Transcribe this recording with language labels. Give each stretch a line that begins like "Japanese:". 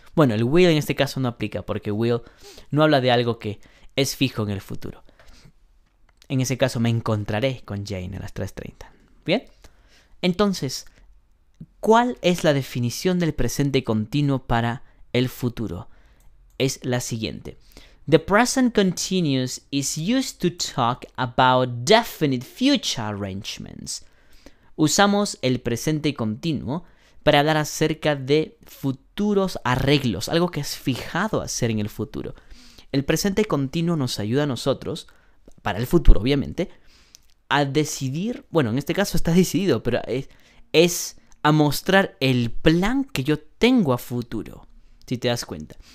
Spanish: Bueno, el will en este caso no aplica porque will no habla de algo que es fijo en el futuro. En ese caso, me encontraré con Jane a las 3:30. ¿Bien? Entonces, ¿cuál es la definición del presente continuo para el futuro? Es la siguiente.
English: The present continuous is used to talk about definite future arrangements.
Spanish: Usamos el presente continuo para hablar acerca de futuros arreglos, algo que es fijado a hacer en el futuro. El presente continuo nos ayuda a nosotros, para el futuro obviamente, a decidir, bueno, en este caso está decidido, pero es a mostrar el plan que yo tengo a futuro, si te das cuenta.